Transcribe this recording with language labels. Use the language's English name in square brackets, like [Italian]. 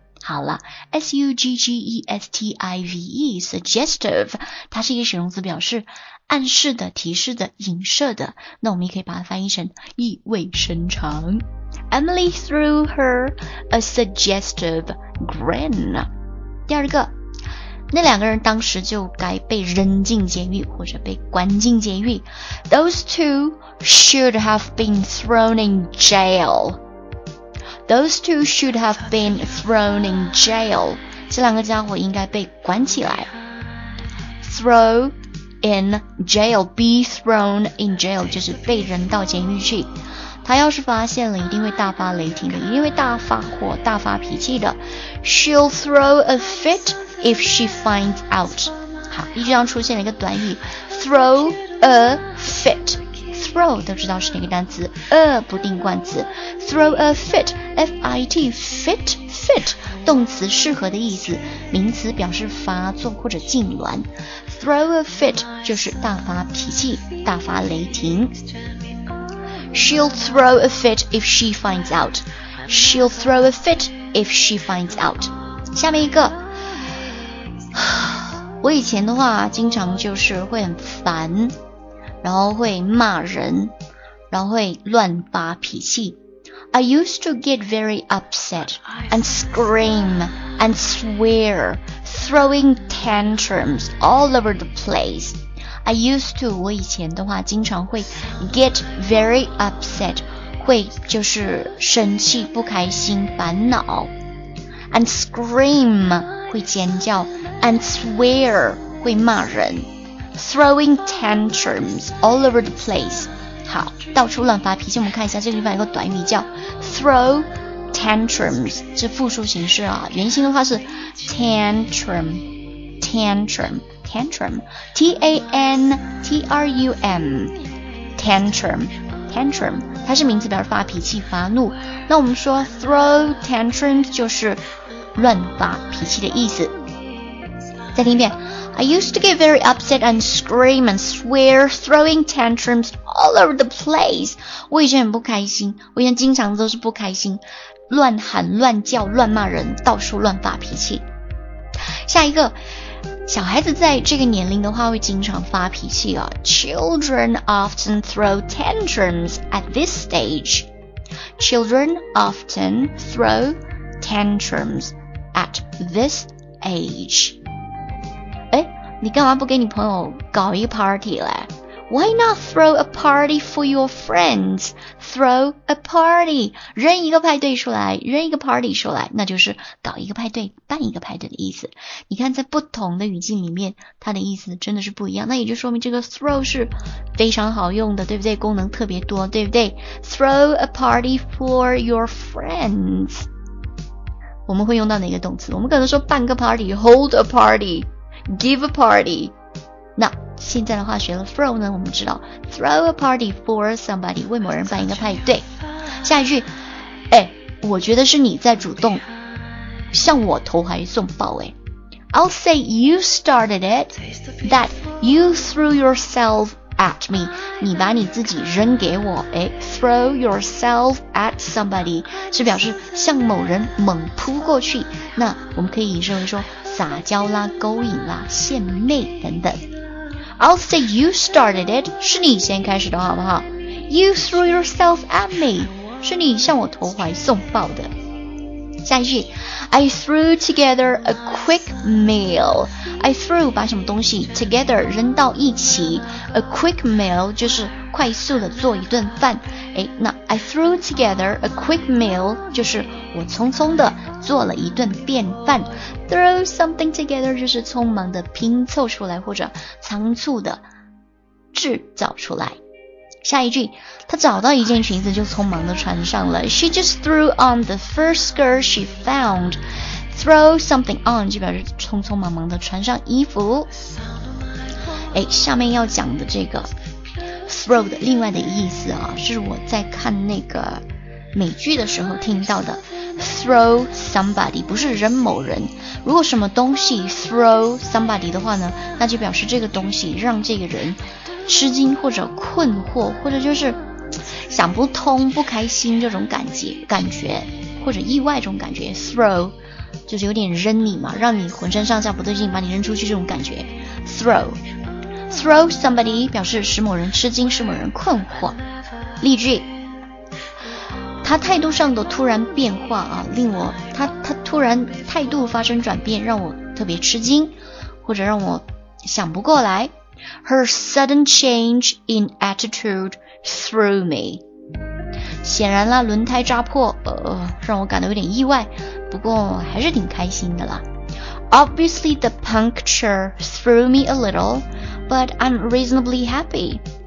[Chinese] 好了， suggestive, suggestive, 它是一个形容词，表示暗示的、提示的、影射的，那我们也可以把它翻译成意味深长。 [English] Emily threw her a suggestive grin. [Chinese] 第二个，那两个人当时就该被扔进监狱或者被关进监狱。 [English] Those two should have been thrown in jail. Those two should have been thrown in jail. [Chinese] 这两个家伙应该被关起来。 [English] Throw in jail, be thrown in jail [Chinese] 就是被扔到监狱去。他要是发现了，一定会大发雷霆的，一定会大发火、大发脾气的。 [English] She'll throw a fit if she finds out. [Chinese] 好，一句上出现了一个短语 ，throw a fit。 Throw 都知道是哪个单词 ，a 不定冠词 ，throw a fit, F-I-T, fit, fit， 动词适合的意思，名词表示发作或者痉挛。 Throw a fit 就是大发脾气、大发雷霆。 [English] She'll throw a fit if she finds out. She'll throw a fit if she finds out. [Chinese] 下面一个，我以前的话经常就是会很烦，然后会骂人，然后会乱发脾气。 [English] I used to get very upset and scream and swear, throwing tantrums all over the place. I used to, [Chinese] 我以前的话经常会 [English] get very upset, [Chinese] 会就是生气、不开心、烦恼。 [English] And scream, [Chinese] 会尖叫。 [English] And swear, [Chinese] 会骂人。 [English] Throwing tantrums all over the place. [Chinese] 好，到处乱发脾气。我们看一下这里面有个短语叫 throw tantrums, 是复数形式啊。原形的话是 tantrum, tantrum. Tantrum, T-A-N-T-R-U-M, tantrum, tantrum, 它是名词，表示发脾气、发怒。那我们说 throw tantrums 就是乱发脾气的意思。再听一遍 [English] ，I used to get very upset and scream and swear, throwing tantrums all over the place. [Chinese] 我以前很不开心，我以前经常都是不开心，乱喊、乱叫、乱骂人，到处乱发脾气。下一个。小孩子在这个年龄的话会经常发脾气啊。 [English] Children often throw tantrums at this stage. Children often throw tantrums at this age. [Chinese] 诶，你干嘛不给你朋友搞一个 party 嘞？ [English] Why not throw a party for your friends? Throw a party. [Chinese] 扔一个派对出来，扔一个 party 出来，那就是搞一个派对，办一个派对的意思。你看在不同的语境里面，它的意思真的是不一样。那也就说明这个 throw 是非常好用的，对不对？功能特别多，对不对？ [English] Throw a party for your friends. [Chinese] 我们会用到哪个动词？我们可能说办个 party, [English] hold a party, give a party. [Chinese] 那现在的话学了 throw 呢，我们知道 throw a party for somebody 为某人办一个派对。下一句，哎，我觉得是你在主动向我投怀送抱。 [English] 哎， I'll say you started it, that you threw yourself at me, [Chinese] 你把你自己扔给我。哎， throw yourself at somebody 是表示向某人猛扑过去，那我们可以引申为说撒娇啦、勾引啦、献媚等等。 [English] I'll say you started it, [Chinese] 是你先开始的好不好？ [English] You threw yourself at me, [Chinese] 是你向我投怀送抱的。下一句 [English] I threw together a quick meal. [Chinese] I threw 把什么东西 together 扔到一起， a quick meal 就是快速的做一顿饭。诶，那 [English] I threw together a quick meal [Chinese] 就是我匆匆的做了一顿便饭。 Throw something together 就是匆忙的拼凑出来或者仓促的制造出来。下一句，她找到一件裙子就匆忙的穿上了。 [English] She just threw on the first skirt she found. [Chinese] Throw something on 就表示匆匆忙忙的穿上衣服。诶，下面要讲的这个 throw 的另外的意思啊，是我在看那个美剧的时候听到的。 Throw somebody 不是扔某人，如果什么东西 throw somebody 的话呢，那就表示这个东西让这个人吃惊或者困惑或者就是想不通不开心这种感觉或者意外这种感觉。 throw 就是有点扔你嘛，让你浑身上下不对劲，把你扔出去这种感觉。 throw somebody 表示使某人吃惊使某人困惑。例句，他态度上的突然变化啊，令我他突然态度发生转变让我特别吃惊或者让我想不过来。 [English] Her sudden change in attitude threw me. [Chinese] 显然啦，轮胎扎破，让我感到有点意外，不过还是挺开心的啦。 [English] Obviously the puncture threw me a little, but I'm reasonably happy.